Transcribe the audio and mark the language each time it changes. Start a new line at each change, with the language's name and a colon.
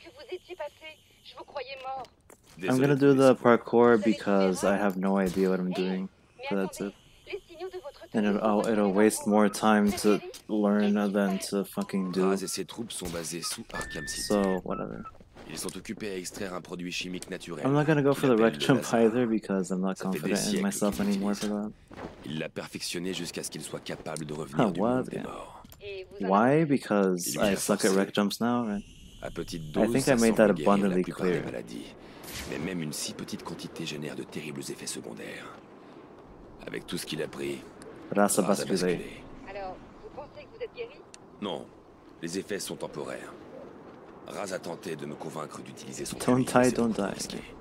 French: s'étiez passé? Je vous croyais mort.
English: I'm gonna do the parkour because I have no idea what I'm doing. So that's it. And it'll waste more time to learn than to fucking do.
French: Raz et ses troupes sont basées sous Arkham City.
English: So, whatever.
French: Ils sont occupés à extraire un produit chimique naturel.
English: I'm not gonna go for the wreck jump either because I'm not confident in myself anymore for that.
French: Il l'a perfectionné jusqu'à ce qu'il soit capable de revenir du monde des morts.
English: Why? Because I suck at wreck jumps now, right?
French: À petite dose,
English: I think I made that abundantly clear.
French: Mais même une si petite quantité génère de terribles effets secondaires. Avec tout ce qu'il a pris, Raz a basculé. Alors, vous pensez que vous êtes guéri? Non, les effets sont temporaires. Raz a tenté de me convaincre d'utiliser son
English: don't die, c'est don't die. Risqué.